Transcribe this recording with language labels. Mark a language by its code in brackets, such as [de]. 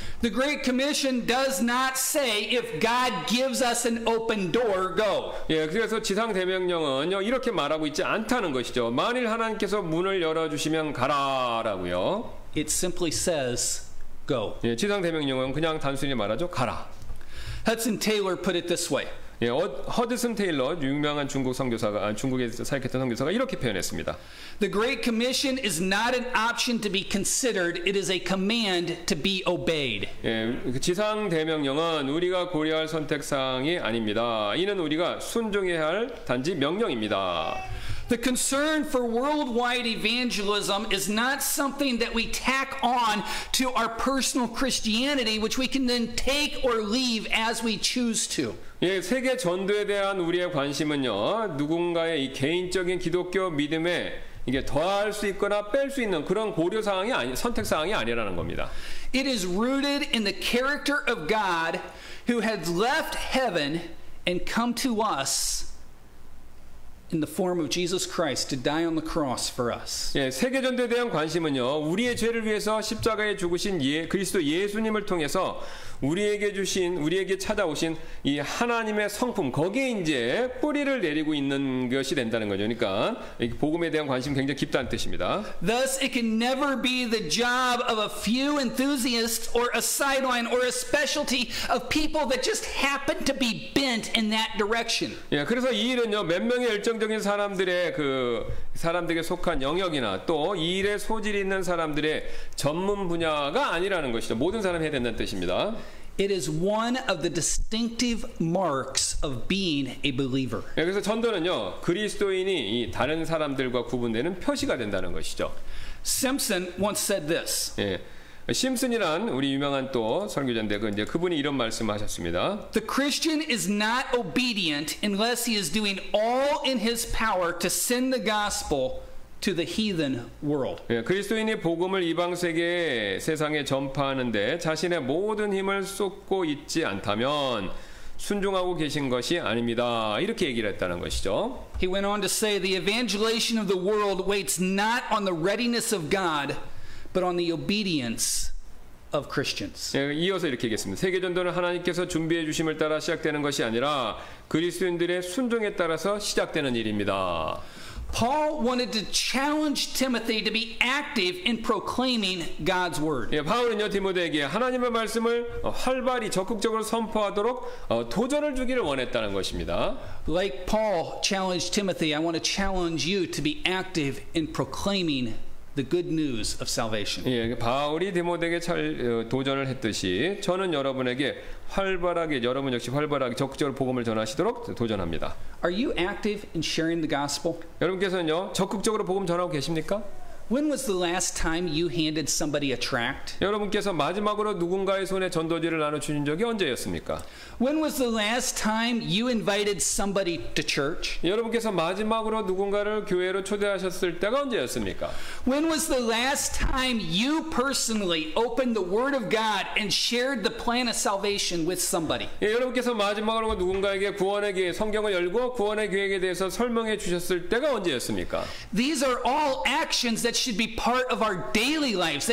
[en] The Great Commission does not say if God gives us an open door, go. [ko] 예, 그래서 지상 대명령은요 이렇게 말하고 있지 않다는 것이죠. 만일 하나님께서 문을 열어 주시면 가라라고요. [en] It simply says go. [ko] 예, 지상 대명령은 그냥 단순히 말하죠, 가라. [en] Hudson Taylor put it this way. [ko] 예, 허드슨 테일러 유명한 중국 선교사가 중국에서 사역했던 선교사가 이렇게 표현했습니다. [en] The Great Commission is not an option to be considered. It is a command to be obeyed. [ko] 예, 그 지상 대명령은 우리가 고려할 선택 사항이 아닙니다. 이는 우리가 순종해야 할 단지 명령입니다. [en] The concern for worldwide evangelism is not something that we tack on to our personal Christianity, which we can then take or leave as we choose to. [ko] 예, 세계 전도에 대한 우리의 관심은요, 누군가의 이 개인적인 기독교 믿음에 이게 더할 수 있거나 뺄 수 있는 그런 고려 사항이 아니, 선택 사항이 아니라는 겁니다. [en] It is rooted in the character of God who has left heaven and come to us in the form of Jesus Christ to die on the cross for us. [ko] 예, 세계 전도에 대한 관심은요, 우리의 죄를 위해서 십자가에 죽으신 그리스도 예수님을 통해서 우리에게 주신 우리에게 찾아오신 이 하나님의 성품 거기에 이제 뿌리를 내리고 있는 것이 된다는 거죠. 그러니까 복음에 대한 관심 굉장히 깊다는 뜻입니다. [en] Thus, it can never be the job of a few enthusiasts or a sideline or a specialty of people that just happen to be bent in that direction. [ko] 예, 그래서 이 일은요 몇 명의 열정적인 사람들의 그 사람들에게 속한 영역이나 또 이 일에 소질이 있는 사람들의 전문 분야가 아니라는 것이죠. 모든 사람이 해야 된다는 뜻입니다. [en] It is one of the distinctive marks of being a believer. [ko] 예, 그래서 전도는요, 그리스도인이 이 다른 사람들과 구분되는 표시가 된다는 것이죠. [en] Simpson once said this. [ko] 예, 심슨이란 우리 유명한 또 선교자인데 그 이제 그분이 이런 말씀을 하셨습니다. [en] The Christian is not obedient unless he is doing all in his power to send the gospel to the heathen world. [ko] 예, 그리스도인이 복음을 이방 세상에 전파하는데 자신의 모든 힘을 쏟고 있지 않다면 순종하고 계신 것이 아닙니다. 이렇게 얘기를 했다는 것이죠. [en] He went on to say the evangelization of the world waits not on the readiness of God but on the obedience of Christians. [ko] 예, 이어서 이렇게 얘기했습니다. 세계 전도는 하나님께서 준비해 주심을 따라 시작되는 것이 아니라 그리스도인들의 순종에 따라서 시작되는 일입니다. [en] Paul wanted to challenge Timothy to be active in proclaiming God's word. [ko] 예, 바울은요 디모데에게 하나님의 말씀을 활발히 적극적으로 선포하도록 도전을 주기를 원했다는 것입니다. [en] Like Paul challenged Timothy, I want to challenge you to be active in proclaiming the good news of salvation. [ko] 예, 바울이 디모데에게 도전을 했듯이 저는 여러분에게 활발하게 여러분 역시 활발하게 적극적으로 복음을 전하시도록 도전합니다. [en] Are you active in sharing the gospel? [ko] 여러분께서는요 적극적으로 복음 전하고 계십니까? [en] When was the last time you handed somebody a tract? [ko] 여러분께서 마지막으로 누군가의 손에 전도지를 나눠주신 적이 언제였습니까? [en] When was the last time you invited somebody to church? [ko] 여러분께서 마지막으로 누군가를 교회로 초대하셨을 때가 언제였습니까? [en] When was the last time you personally opened the Word of God and shared the plan of salvation with somebody? [ko] 예, 여러분께서 마지막으로 누군가에게 구원의 계획, 성경을 열고 구원의 계획에 대해서 설명해 주셨을 때가 언제였습니까? [en] These are all actions that should be part of our daily lives.